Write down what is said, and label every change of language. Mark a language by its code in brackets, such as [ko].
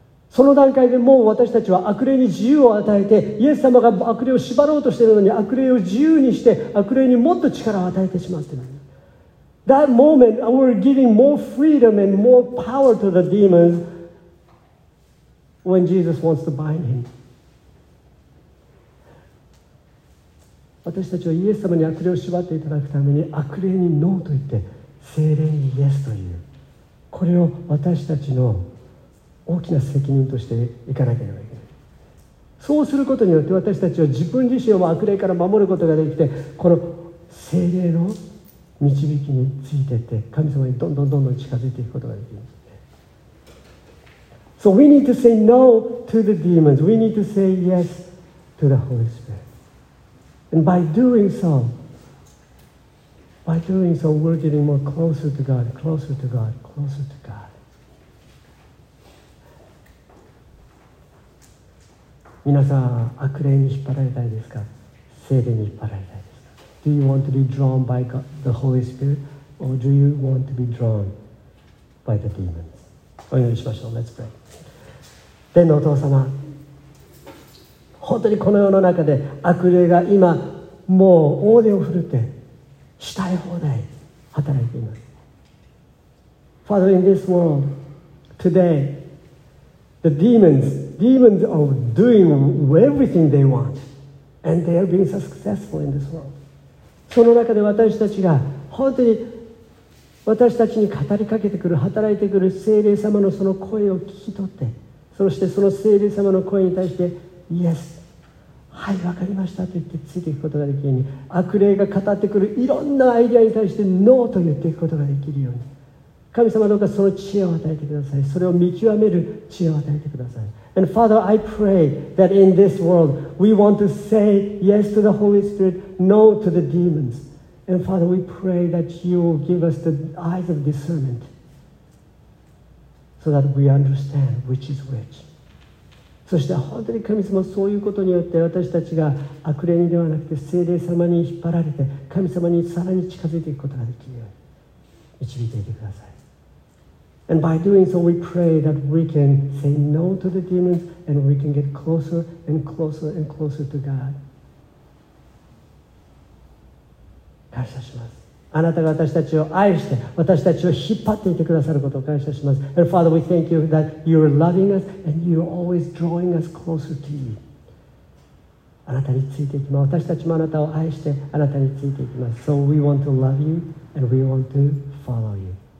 [ja] その段階でもう私たちは悪霊に自由を与えて、イエス様が悪霊を縛ろうとしているのに悪霊を自由にして悪霊にもっと力を与えてしまっている。 [en] That moment we're giving more freedom and more power to the demons when Jesus wants to bind him. [ja] 私たちはイエス様に悪霊を縛っていただくために、悪霊にノーと言って聖霊にイエスという、これを私たちの大きな責任としていかなければいけない。そうすることによって私たちは自分自身を悪霊から守ることができて、この聖霊の導きについていって神様にどんどんどんどん近づいていくことができる。 [en] So we need to say no to the demons. We need to say yes to the Holy Spirit. And by doing so we're getting more closer to God, closer to God, closer to God. [ja] 皆さん、悪霊に引っ張られたいですか？聖霊に引っ張られたいですか？ [en] Do you want to be drawn by God, the Holy Spirit? Or do you want to be drawn by the demons? [ja] お祈りしましょう。 [en] Let's pray. [ja] 天のお父様、本当にこの世の中で悪霊が今もう大手を振るってしたい放題働いています。 [en] Father, in this world, today,The demons are doing everything they want, and they are being successful in this world. [ja] その中で私たちが本当に私たちに語りかけてくる、働いてくる聖霊様のその声を聞き取って、そしてその聖霊様の声に対して、イエス、はい、わかりましたと言ってついていくことができるように、悪霊が語ってくるいろんなアイデアに対してノーと言っていくことができるように。神様、どうかその知恵を与えてください。それを見極める知恵を与えてください。 [en] And Father, I pray that in this world, we want to say yes to the Holy Spirit, no to the demons. And Father, we pray that you will give us the eyes of discernment so that we understand which is which. [ja] そして本当に神様、そういうことによって私たちが悪霊ではなくて聖霊様に引っ張られて、神様にさらに近づいていくことができるように導いていてください。 [en] And by doing so, we pray that we can say no to the demons and we can get closer and closer and closer to God. [ja] 感謝します。あなたが私たちを愛して、私たちを引っ張っていてくださることを感謝します。 [en] And Father, we thank you that you are loving us and you are always drawing us closer to you. [ja] あなたについていきます。私たちもあなたを愛して、あなたについていきます。 [en] So we want to love you and we want to follow you.